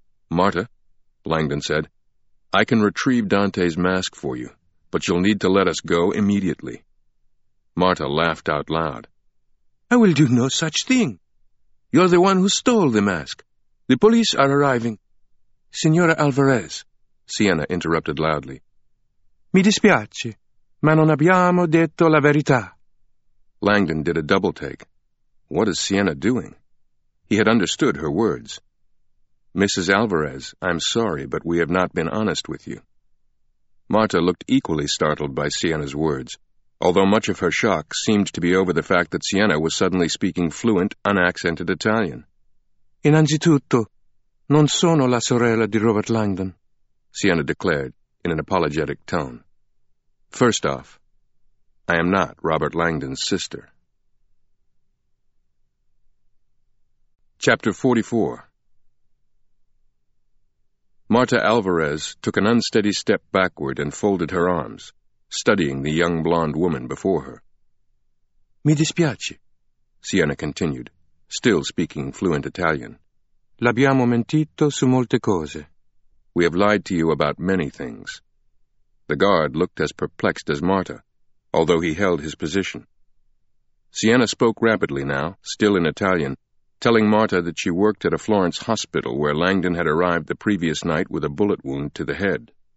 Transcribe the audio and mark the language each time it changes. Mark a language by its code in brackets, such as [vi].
[en] "Marta," Langdon said, "I can retrieve Dante's mask for you, but you'll need to let us go immediately." Marta laughed out loud. "I will do no such thing. You're the one who stole the mask. The police are arriving." "Signora Alvarez," Sienna interrupted loudly. [it] Mi dispiace, ma non abbiamo detto la verità. [en] Langdon did a double take. What is Sienna doing? He had understood her words. Mrs. Alvarez, I'm sorry, but we have not been honest with you. Marta looked equally startled by Sienna's words, although much of her shock seemed to be over the fact that Sienna was suddenly speaking fluent, unaccented Italian. [it] Innanzitutto, non sono la sorella di Robert Langdon, [en] Sienna declared in an apologetic tone. First off, I am not Robert Langdon's sister. Chapter 44. Marta Alvarez took an unsteady step backward and folded her arms, studying the young blonde woman before her. [it] Mi dispiace, [en] Sienna continued, still speaking fluent Italian. [it] L'abbiamo mentito su molte cose. [en] We have lied to you about many things. The guard looked as perplexed as Marta, although he held his position. Sienna spoke rapidly now, still in Italian, telling Marta that she worked at a Florence hospital where Langdon had arrived the previous night with a bullet wound to the head.